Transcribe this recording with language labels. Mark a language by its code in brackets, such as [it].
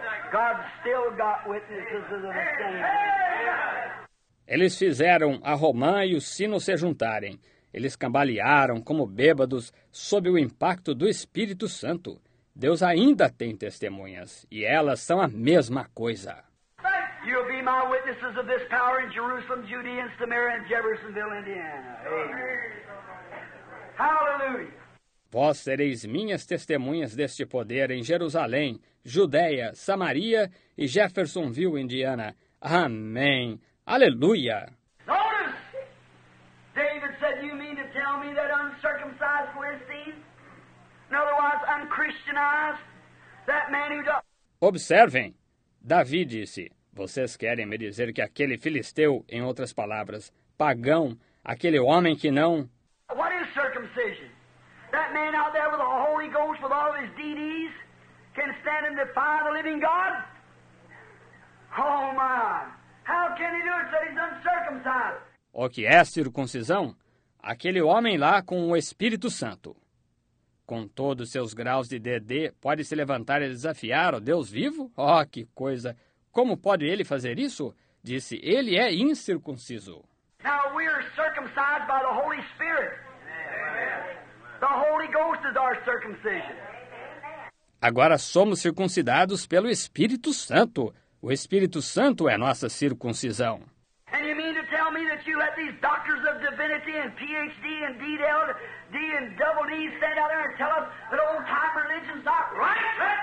[en] God still got witnesses of the same. [pt] Eles fizeram a romã e o sino se juntarem. Eles cambalearam como bêbados sob o impacto do Espírito Santo. Deus ainda tem testemunhas, e elas são a mesma coisa. [en] You'll be my witnesses of this power in Jerusalem, Judea, and Samaria, and Jeffersonville, Indiana. Amen. Hallelujah. [pt] Vós sereis minhas testemunhas deste poder em Jerusalém, Judeia, Samaria e Jeffersonville, Indiana. Amém. Aleluia. [en] Notice! David said, Do you mean to tell me that uncircumcised Philistines, in other words, unchristianized, that man who does... [pt] Observem! Davi disse, vocês querem me dizer que aquele filisteu, em outras palavras, pagão, aquele homem que não... [en] What is circumcision? That man out there with the Holy Ghost, with all his DDs, can stand and defy the living God? Oh, my! How can he do it that he's uncircumcised? [pt] O que é circuncisão? Aquele homem lá com o Espírito Santo. Com todos seus graus de DD, pode se levantar e desafiar o Deus vivo? Oh, que coisa! Como pode ele fazer isso? Disse, ele é incircunciso. [en] Now we are circumcised by the Holy Spirit. The Holy Ghost is our circumcision. [pt] Agora somos circuncidados pelo Espírito Santo. O Espírito Santo é nossa circuncisão. [en] And you mean to tell me that you let these doctors of divinity and PhD and DD and double D stand out there and tell us that old time religions are right?